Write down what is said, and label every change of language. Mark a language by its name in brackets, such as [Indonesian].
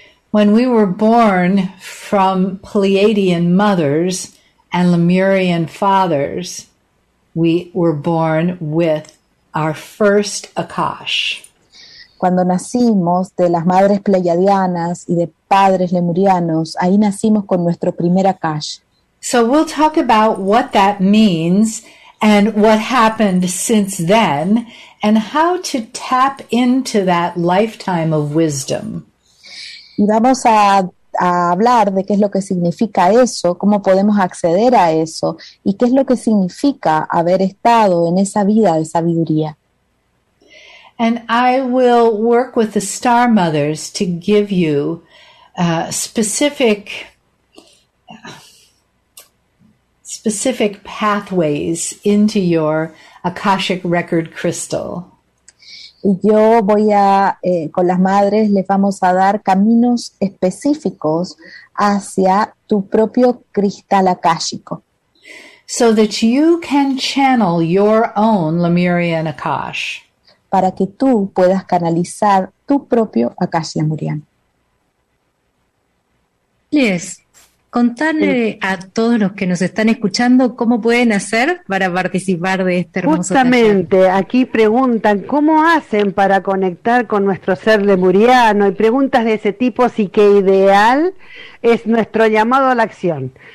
[English] When we were born from Pleiadian mothers and Lemurian fathers, we were born with our first Akash. [Spanish] Cuando nacimos de las madres pleiadianas y de padres lemurianos, ahí nacimos con nuestro primer Akash. [English] So we'll talk about what that means and what happened since then and how to tap into that lifetime of wisdom. [Spanish] Y vamos a hablar de qué es lo que significa eso, cómo podemos acceder a eso y qué es lo que significa haber estado en esa vida de sabiduría. [English] And I will work with the Star Mothers to give you specific specific pathways into your Akashic Record crystal. [Spanish] Y yo voy a, con las madres, les vamos a dar caminos específicos hacia tu propio cristal akáshico. [English] So that you can channel your own Lemuria and Akash. [Spanish] Para que tú puedas canalizar tu propio Akash Lemurian. Les, contarle a todos los que nos están escuchando cómo pueden hacer para participar de este hermoso justamente taller. Aquí preguntan cómo hacen para conectar con nuestro ser lemuriano y preguntas de ese tipo, sí que ideal es nuestro llamado a la acción.